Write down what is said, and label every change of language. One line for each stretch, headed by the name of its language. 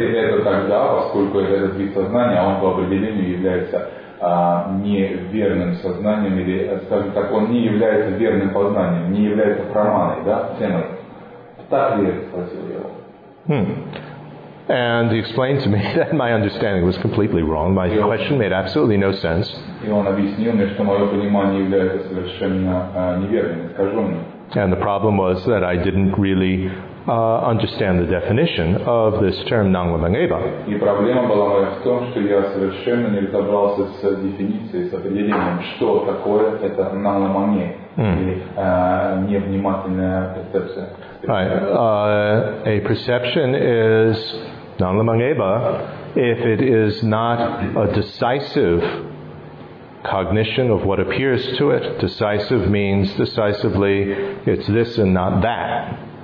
Russian: Это тогда, поскольку это вид сознания, он по определению является неверным сознанием, или, скажем так, он не является верным познанием, не является праманой, да, темой. Так ли это, спросил я его.
English: And he explained to me that my understanding was completely wrong. My question made absolutely no sense.
Russian: И он объяснил мне, что мое понимание является совершенно неверным, искаженным.
English: And the problem was that I didn't really understand the definition of this term nanglamangeba.
Russian: И проблема была моя в том, что я совершенно не разобрался с definицией, с определением, что такое это nanglamangeba или невнимательная перцепция.
English: Right. A perception is nanglamangeba if it is not a decisive cognition of what appears to it. Decisive means decisively it's this and not that.